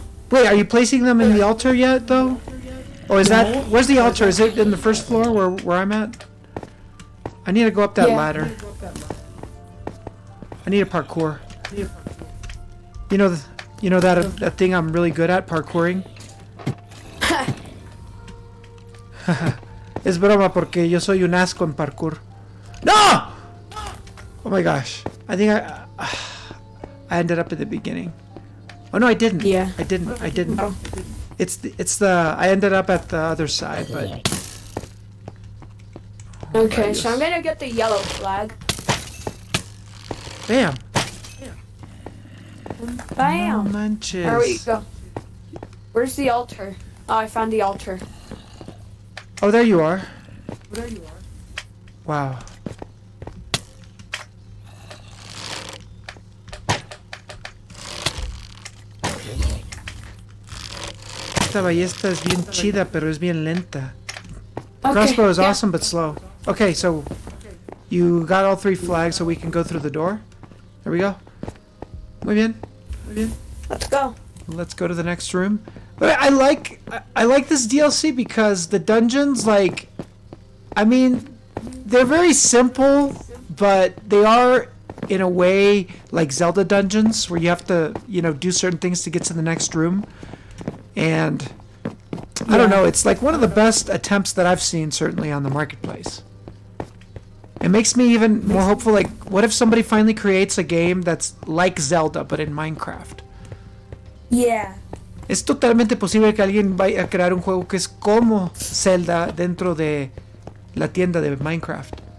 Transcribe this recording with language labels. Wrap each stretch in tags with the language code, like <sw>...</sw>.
<en>Wait, are you placing them in the altar yet, though? Or is that... Where's the altar? Is it in the first floor where I'm at? I need to go up that ladder. I need a parkour. You know that thing I'm really good at, parkouring?</en> <es>Es broma porque yo soy un asco en parkour.</es> <en>¡No! Oh my gosh. I think I ended up at the beginning. Oh no, I didn't. Yeah. I didn't. Oh. I ended up at the other side, but. Oh, okay, values. So I'm gonna get the yellow flag. Bam. Bam.</en> <es>No manches.</es> <en>There we go. Where's the altar? Oh, I found the altar. Oh, there you are. There you are. Wow.</en> <es>Esta ballesta es bien chida, pero es bien lenta.</es> <en>Okay, crossbow is awesome, but slow. Okay, so you got all three flags so we can go through the door. There we go.</en> <es>Muy bien.</es> <en>Let's go. Let's go to the next room. But I like this DLC because the dungeons, like, I mean, they're very simple, but they are, in a way, like Zelda dungeons where you have to, you know, do certain things to get to the next room. And I don't know, it's like one of the best attempts that I've seen, certainly, on the marketplace. It makes me even more hopeful, like, what if somebody finally creates a game that's like Zelda, but in Minecraft?</en> <es>Es totalmente posible que alguien vaya a crear un juego que es como Zelda dentro de la tienda de Minecraft.</es>